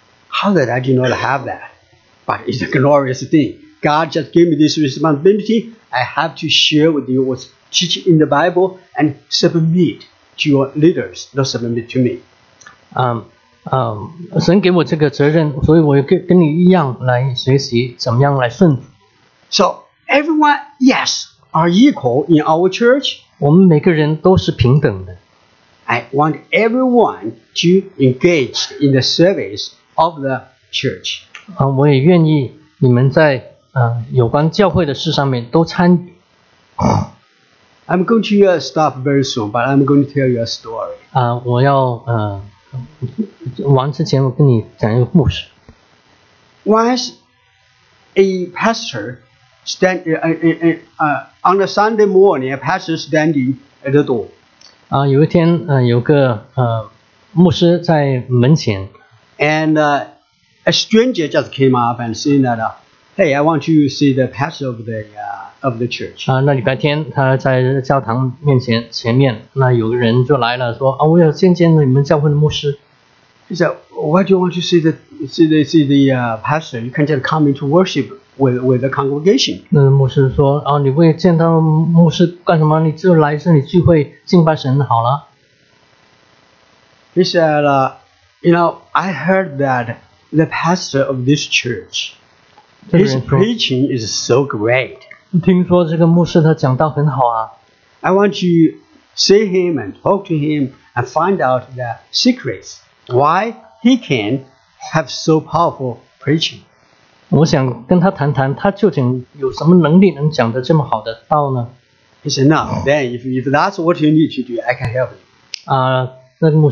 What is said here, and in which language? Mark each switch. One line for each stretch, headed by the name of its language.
English: How that I do not have that, but it's a glorious thing. God just gave me this responsibility. I have to share with you what's teaching in the Bible and submit to your leaders, not submit to me.
Chinese: 神给我这个责任，所以我跟你一样来学习怎么样来顺服。
English: So everyone, yes, are equal in our church.
Chinese: 我们每个人都是平等的。
English: I want everyone to engage in the service of the church.
Chinese: 我也愿意你们在有关教会的事上面都参与。
English: I'm going to stop very soon, but I'm going to tell you a story.
Chinese: 我要完之前，我跟你讲一个故事。
English: Once a pastor stand on a Sunday morning, a pastor standing at the door.
Chinese: 有一天，有个牧师在门前。
English: And a stranger just came up and saying that, "Hey, I want to see the pastor of the church."
Chinese: 那礼拜天，他在教堂前面，那有个人就来了，说啊，我要见你们教会的牧师。
English: He said, "Why do you want to see the pastor? You can just come into worship with the congregation.
Chinese: 牧师说, 啊, 你为见到牧师干什么? 你就来这里聚会敬拜神好了。
English: He said, you know, I heard that the pastor of this church, his preaching is so great.
Chinese: 听说这个牧师他讲道很好啊。
English: I want to see him and talk to him and find out the secrets why he can have so powerful preaching.
Chinese: 我想跟他谈谈，他究竟有什么能力能讲得这么好的道呢？
English: He said, "No. Then, if that's what you need to do, I can help you."